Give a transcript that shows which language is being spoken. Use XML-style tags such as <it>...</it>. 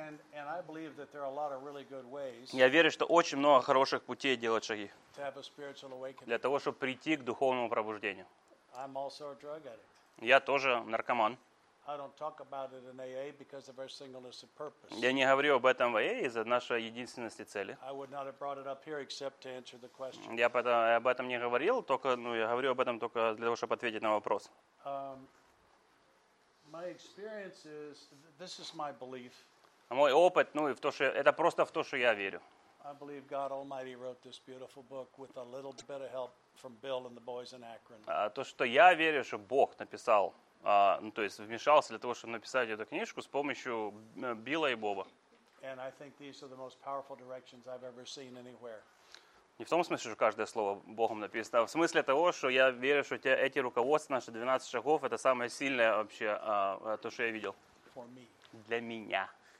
<en>And I believe that there are a lot of really good ways.</en> <ru>Я верю, что очень много хороших путей делать шаги.</ru> <en>To have a spiritual awakening.</en> <ru>Для того, чтобы прийти к духовному пробуждению.</ru> <en>I'm also a drug addict.</en> <ru>Я тоже наркоман.</ru> <en>I don't talk about it in AA because of our singleness of purpose.</en> <ru>Я не говорю об этом в AA из-за нашей единственности цели.</ru> <en>I would not have brought it up here except to answer the question.</en> <ru>Я об этом не говорил, только, ну, я говорю об этом только для того, чтобы ответить на вопрос.</ru> <en>My experience is, this is my belief.</en> <ru>Мой опыт, ну и в то, что это просто в то, что я верю.</ru> <en>I believe God Almighty wrote this beautiful book with a little bit of help from Bill and the boys in Akron.</en> <ru>То, что я верю, что Бог написал, ну, то есть вмешался для того, чтобы написать эту книжку с помощью Билла и Боба.</ru> <en>And I think these are the most powerful directions I've ever seen anywhere.</en> <ru>Не в том смысле, что каждое слово Богом написано, а в смысле того, что я верю, что эти руководства, наши 12 шагов, это самое сильное вообще, то, что я видел. Для меня.</ru>